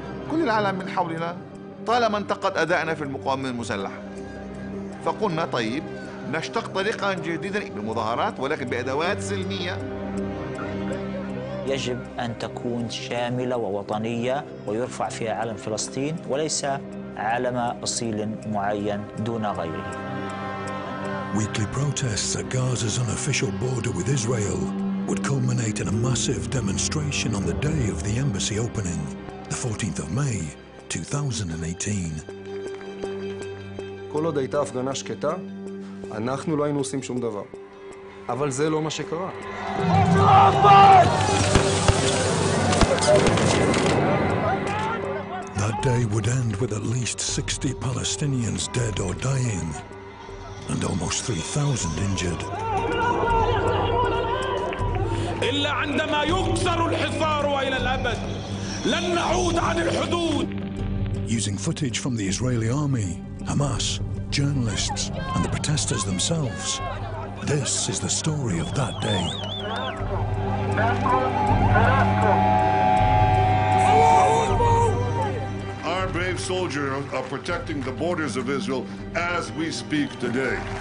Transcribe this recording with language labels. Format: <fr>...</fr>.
<ar>كل العالم من حولنا طالما انتقد أدائنا في المقاومة المسلحة. فقلنا طيب. نشتق طريقا جديدا بمظاهرات ولكن بأدوات سلمية. يجب أن تكون شاملة ووطنية ويرفع فيها علم فلسطين وليس علم أصيل معين دون غيره.</ar> <en>Weekly protests at Gaza's unofficial border with Israel would culminate in a massive demonstration on the day of the embassy opening, the 14th of May, 2018.</en> <he>כל עוד הייתה הפגנה שקטה, אנחנו לא היינו עושים שום דבר. אבל זה לא מה שקרה.</he> <en>That day would end with at least 60 Palestinians dead or dying, and almost 3,000 injured.</en> <ar>إلا عندما يكسر الحصار وإلى الأبد لن نعود عن الحدود.</ar> <en>Using footage from the Israeli army, Hamas, journalists and the protesters themselves. This is the story of that day. Our brave soldiers are protecting the borders of Israel as we speak today.</en>